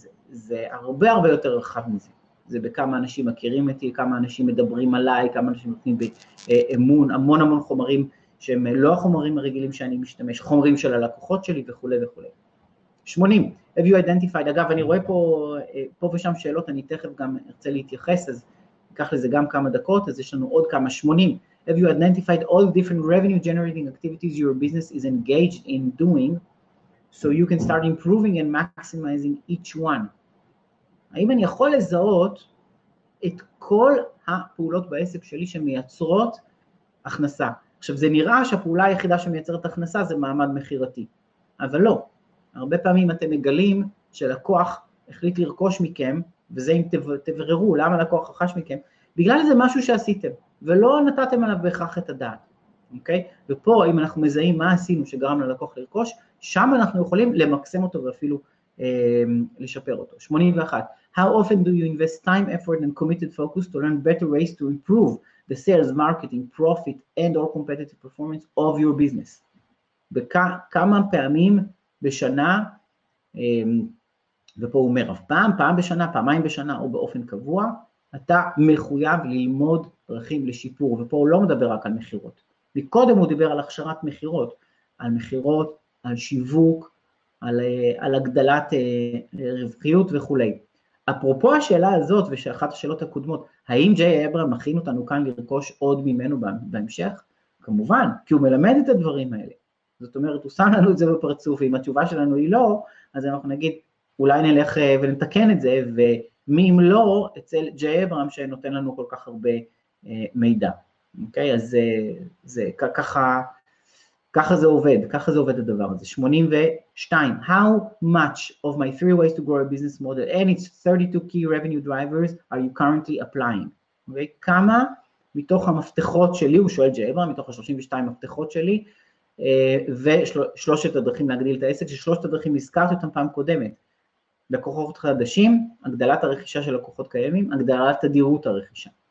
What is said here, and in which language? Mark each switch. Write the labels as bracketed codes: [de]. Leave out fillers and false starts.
[he] זה הרבה הרבה יותר רחב מזה. זה בכמה אנשים מכירים אותי, כמה אנשים מדברים עליי, כמה אנשים נותנים באמון, המון המון חומרים שהם לא החומרים הרגילים שאני משתמש, חומרים של הלקוחות שלי וכו' וכו'. 80. [en] Have you identified? [he] אגב, אני רואה פה ושם שאלות, אני תכף גם ארצה להתייחס, אז ייקח לזה גם כמה דקות, אז יש לנו עוד כמה 80. [en] Have you identified all the different revenue generating activities your business is engaged in doing so you can start improving and maximizing each one? [he] האם אני יכול לזהות את כל הפעולות בעסק שלי שמייצרות הכנסה? עכשיו זה נראה שהפעולה היחידה שמייצרת הכנסה זה מעמד מחירתי, אבל לא. הרבה פעמים אתם מגלים שלקוח החליט לרכוש מכם, וזה אם תבררו למה לקוח רכש מכם, בגלל זה משהו שעשיתם, ולא נתתם עליו בהכרח את הדעת. אוקיי? ופה אם אנחנו מזהים מה עשינו שגרם ללקוח לרכוש, שם אנחנו יכולים למקסם אותו ואפילו לשפר אותו. 81. [en] How often do you invest time, effort and committed focus to learn better ways to improve the sales, marketing, profit and or competitive performance of your business? [he] בכמה פעמים בשנה, ופה הוא אומר, פעם בשנה, פעמיים בשנה או באופן קבוע, אתה מחויב ללמוד דרכים לשיפור, ופה הוא לא מדבר רק על מחירות. מקודם הוא דיבר על הכשרת מחירות, על מחירות, על שיווק, על הגדלת רווחיות וכו'. אפרופו השאלה הזאת, ושאחת השאלות הקודמות, האם ג'יי אברהם מכין אותנו כאן לרכוש עוד ממנו בהמשך? כמובן, כי הוא מלמד את הדברים האלה. זאת אומרת, הוא שם לנו את זה בפרצוף, ואם התשובה שלנו היא לא, אז אנחנו נגיד, אולי נלך ונתקן את זה, ומי אם לא, אצל ג'יי אברהם שנותן לנו כל כך הרבה מידע. אוקיי? אז זה ככה, ככה זה עובד, ככה זה עובד הדבר הזה. 82. [en] How much of my three ways to grow a business model and its 32 key revenue drivers are you currently applying? [he] אוקיי? כמה מתוך המפתחות שלי, הוא שואל ג'יי אברהם, מתוך ה-32 מפתחות שלי, ושלושת הדרכים להגדיל את העסק, ששלושת הדרכים הזכרתי אותם פעם קודמת. לקוחות חדשים, הגדלת הרכישה של לקוחות קיימים, הגדלת תדירות הרכישה.